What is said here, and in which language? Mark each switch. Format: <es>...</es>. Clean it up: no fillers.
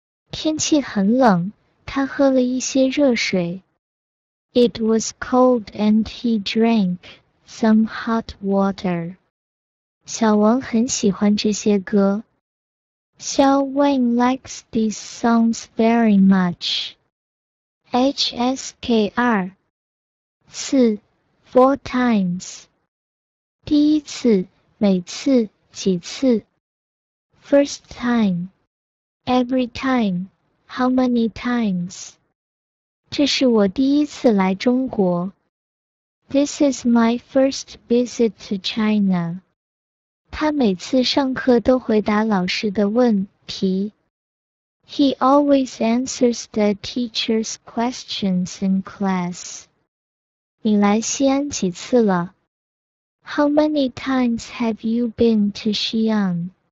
<zh>天气很冷, 她喝了一些热水.</zh> <en>It was cold and he drank some hot water.</en> <zh>小王很喜欢这些歌.</zh> <en>Xiao Wang likes these songs very much. HSKR. 四, 4 times.</en> <zh>第一次, 每次, 几次.</zh> <en>First time. Every time. How many times?</en> <zh>这是我第一次来中国.</zh> <en>This is my first visit to China.</en> <zh>他每次上课都回答老师的问题。</zh> <en>He always answers the teacher's questions in class.</en> <zh>你来西安几次了？</zh> <en>How many times have you been to Xi'an?</en>